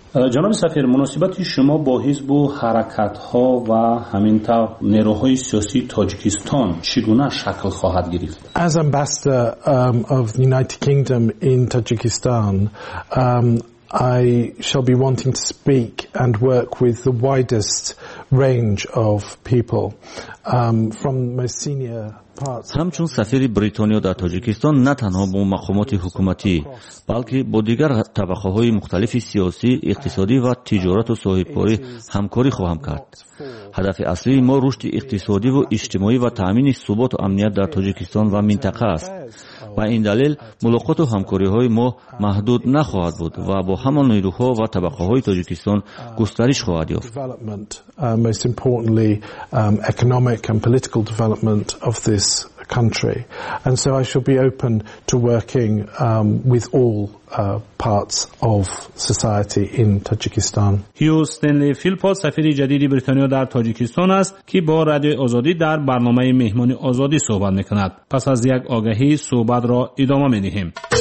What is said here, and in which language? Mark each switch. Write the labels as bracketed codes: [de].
[fa] جناب سفیر، مناسبت شما با حزب و حرکت ها و همین تا نیروهای سیاسی تاجیکستان چگونه شکل خواهد گرفت؟ [en] As ambassador of the United Kingdom in Tajikistan, I shall be wanting to speak and work with the widest range of people, from most senior parts. [fa] همچون سفیر بریتانیا در تاجیکستان، نه تنها با مقامات حکومتی بلکه با دیگر طبقه های مختلف سیاسی، اقتصادی و تجارت و صاحبکاری همکاری خواهم کرد. هدف اصلی ما رشد اقتصادی و اجتماعی و تامین ثبات و امنیت در تاجیکستان و منطقه است. با این دلیل ملاقات و همکاری های ما محدود نخواهد بود و با همه نیروها و طبقه های تاجیکستان گسترش خواهد یافت. [en] Most importantly, economic and political development of this country. And so I shall be open to working with all parts of society in Tajikistan. [fa] هیو استنلی فیلپوت سفیر جدید بریتانیا در تاجیکستان است که با رادیو آزادی در برنامه مهمانی آزادی صحبت میکند. پس از یک آگهی صحبت را ادامه میدهیم.